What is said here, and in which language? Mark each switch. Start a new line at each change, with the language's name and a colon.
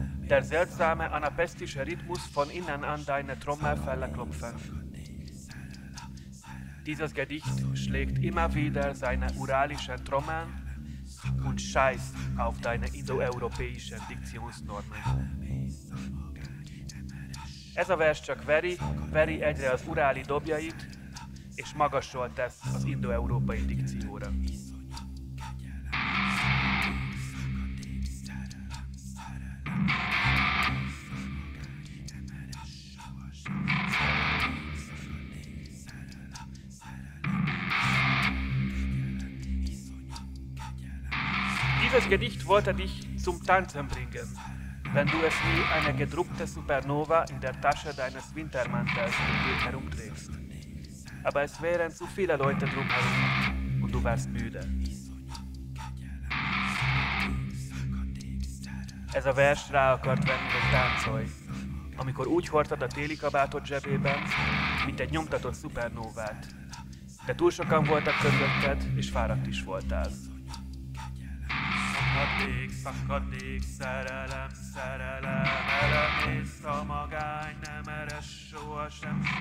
German: Der seltsame anapestische Rhythmus von innen an deine Trommelfelle klopfen. Dieses Gedicht schlägt immer wieder seine uralischen Trommeln und scheißt auf deine indoeuropäischen Diktionsnormen.
Hungarian: Ez a vers csak veri egyre az uráli dobjait, és magasol tesz az indoeurópai dikcióra.
German: Dieses Gedicht wollte dich zum Tanzen bringen, wenn du es wie eine gedruckte Supernova in der Tasche deines Wintermantels herumdrehst. Aber es wären zu viele Leute drumherum und du wärst müde.
Hungarian: Ez a vers rá akart venni, hogy táncolj, amikor úgy hordtad a téli kabátod zsebében, mint egy nyomtatott szupernovát. De túl sokan voltak közötted, és fáradt is voltál. Szakadék, szakadék, szerelem, szerelem, elemész a magány, nem eres sohasem.